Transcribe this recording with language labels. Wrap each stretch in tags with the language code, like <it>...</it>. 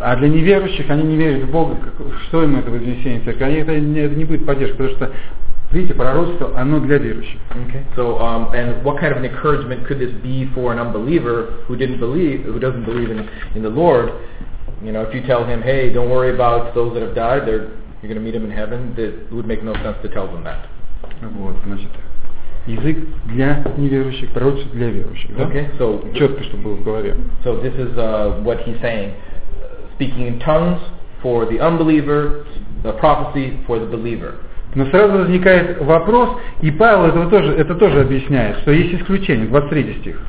<ru>А для неверующих, они не верят в Бога, что им это вознесение церкви? Они это не будет поддержка, потому что видите, пророчество, оно для верующих.</ru> <en>Okay. So and what kind of an encouragement could this be for an unbeliever who doesn't believe in the Lord? You know, if you tell him, hey, don't worry about those that have died, you're going to meet him in heaven, it would make no sense to tell them that.</en> <ru>Вот, значит, язык для неверующих, пророчество для верующих, да?</ru> <en>Okay, so...</en> <ru>Четко, чтобы было в голове.</ru> <en>So this is what he's saying. Speaking in tongues for the unbeliever, the prophecy for the believer.</en> <ru>Но сразу возникает вопрос, и Павел это тоже объясняет, что есть исключение, 23 стих.</ru>